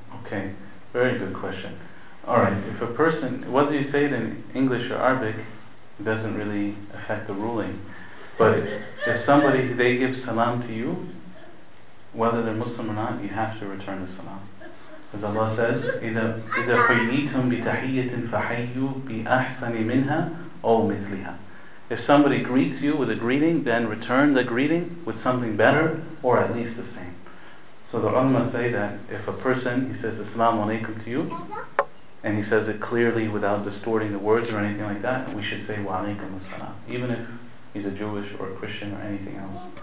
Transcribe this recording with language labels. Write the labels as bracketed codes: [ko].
[en] Okay, very good question. All right, if a person, whether you say it in English or Arabic, it doesn't really affect the ruling. But if somebody, they give salam to you, whether they're Muslim or not, you have to return the salam. Because Allah says, [ar] إِذَا حُيِّيتُم بِتَحِيَّةٍ فَحَيُّوا بِأَحْسَنِ مِنْهَا أَوْ مِثْلِهَا. [en] If somebody greets you with a greeting, then return the greeting with something better or at least the same. So the ulama say that if a person, he says assalamu alaikum to you, and he says it clearly without distorting the words or anything like that, we should say wa alaykum as-salam, even if he's a Jewish or a Christian or anything else.